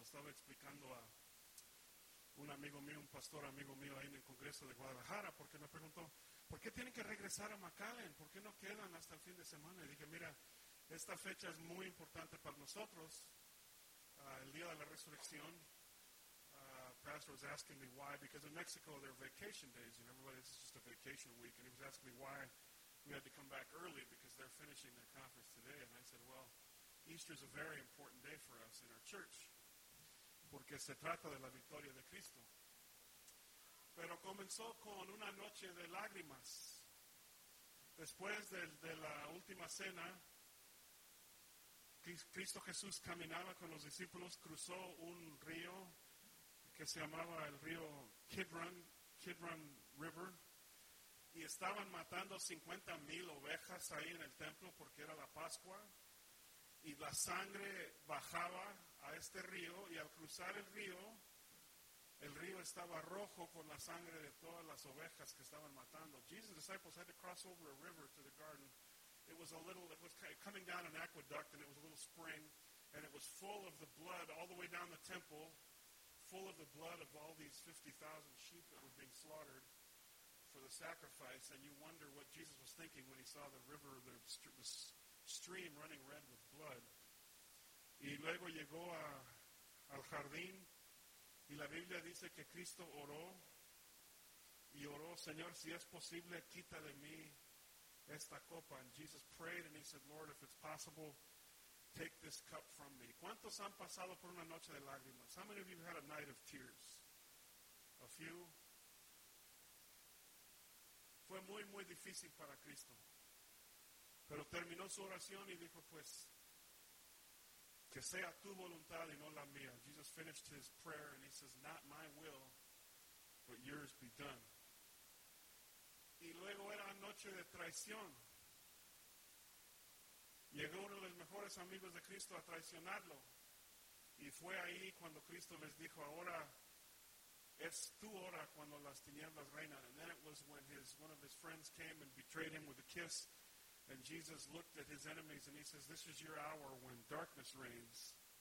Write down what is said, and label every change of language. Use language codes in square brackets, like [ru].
[es] Estaba explicando a un amigo mío, un pastor amigo mío ahí en el Congreso de Guadalajara, porque me preguntó, ¿por qué tienen que regresar a McAllen? ¿Por qué no quedan hasta el fin de semana? Y dije, mira, esta fecha es muy importante para nosotros, el Día de la Resurrección. [en] Pastor was asking me why, because in Mexico they're vacation days, and everybody, this is just a vacation week, and he was asking me why we had to come back early, because they're finishing their conference today, and I said, well, Easter is a very important day for us in our church, [es] porque se trata de la victoria de Cristo. Pero comenzó con una noche de lágrimas. Después de la última cena, Cristo Jesús caminaba con los discípulos, cruzó un río que se llamaba el río Kidron River, y estaban matando 50,000 ovejas ahí en el templo porque era la Pascua, y la sangre bajaba a este río, y al cruzar el río estaba rojo con la sangre de todas las ovejas que estaban matando. [en] Jesus' disciples had to cross over a river to the garden. It was coming down an aqueduct, and it was a little spring, and it was full of the blood all the way down the temple, full of the blood of all these 50,000 sheep that were being slaughtered for the sacrifice. And you wonder what Jesus was thinking when he saw the river, the stream running red with blood. [es] Y luego llegó al jardín, y la Biblia dice que Cristo oró, y oró, Señor, si es posible, quita de mí esta copa. [en] And Jesus prayed, and he said, Lord, if it's possible, take this cup from me. [es] ¿Cuántos han pasado por una noche de lágrimas? [en] How many of you have had a night of tears? A few. [es] Fue muy, muy difícil para Cristo. Pero terminó su oración y dijo, pues, que sea tu voluntad y no la mía. [en] Jesus finished his prayer and he says, not my will, but yours be done. [es] Y luego era noche de traición. Llegó uno de los mejores amigos de Cristo a traicionarlo. Y fue ahí cuando Cristo les dijo, ahora es tu hora cuando las tinieblas reinan. [en] And then it was when one of his friends came and betrayed him with a kiss. And Jesus looked at his enemies and he says, this is your hour when darkness reigns.